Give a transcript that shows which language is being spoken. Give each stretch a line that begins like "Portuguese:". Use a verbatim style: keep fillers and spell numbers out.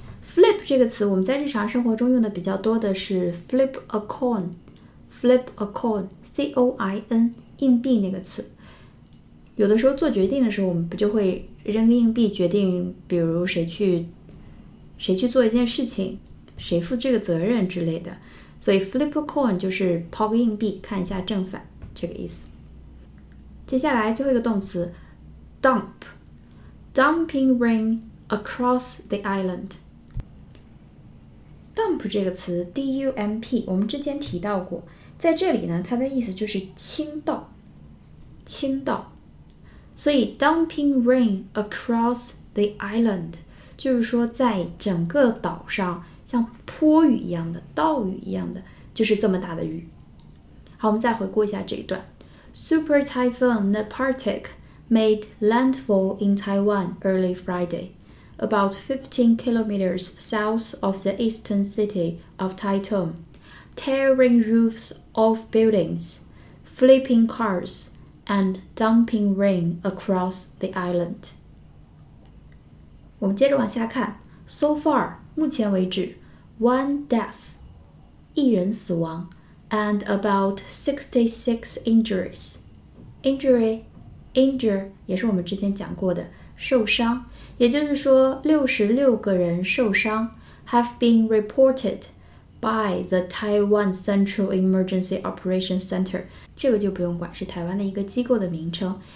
Chinese: flip 这个词我们在日常生活中用的比较多的是
English: flip a coin flip a coin
Chinese: C O I N 硬币那个词。有的时候做决定的时候我们不就会扔个硬币决定，比如谁去谁去做一件事情，谁负这个责任之类的，所以
English: flip a coin
Chinese: 就是抛个硬币看一下正反这个意思。接下来最后一个动词 dump
English: dumping rain across the island。
Chinese: dump 这个词 D U M P 我们之前提到过，在这里呢它的意思就是倾倒，倾倒，所以
English: dumping rain across the island
Chinese: 就是说在整个岛上像泼雨一样的，倒雨一样的，就是这么大的雨。好，我们再回顾一下这一段
English: Super Typhoon Nepartik made landfall in Taiwan early Friday, about fifteen kilometers south of the eastern city of Taitung, tearing roofs off buildings, flipping cars, and dumping rain across the island.
Chinese: 我们接着往下看
English: So far,
Chinese: 目前为止
English: one death,
Chinese: 一人死亡
English: and about sixty-six injuries.
Chinese: Injury Injure 也是我们之前讲过的受伤，也就是说sixty-six个人受伤
English: have been reported by the Taiwan Central Emergency Operations Center，
Chinese: 这个就不用管，是台湾的一个机构的名称。